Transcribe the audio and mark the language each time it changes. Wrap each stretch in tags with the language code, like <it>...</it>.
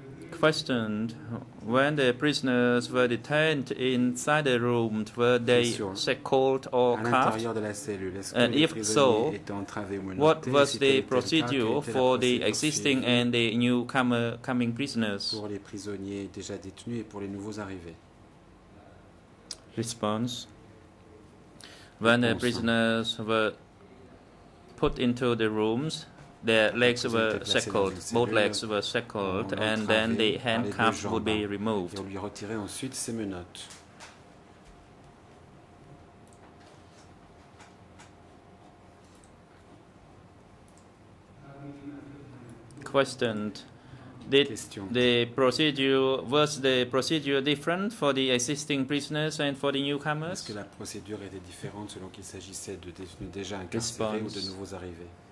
<en>Questioned, when the prisoners were detained inside the room, were they shackled or cuffed? And if so, what was the procedure for the existing and the newcomer coming prisoners?</en> <fr>Pour les prisonniers déjà détenus et pour les nouveaux arrivés.</fr> <en>Response. When the prisoners were put into the rooms, their legs were shackled, both legs were shackled, and then the handcuffs would be removed.</en> <fr>Et on lui retirait ensuite ses menottes.</fr> <en>Questioned. The procedure was the procedure different for the existing prisoners and for the newcomers?</en> <fr>Est-ce que la procédure était différente selon qu'il s'agissait de détenus déjà incarcérés ou de nouveaux arrivés?</fr>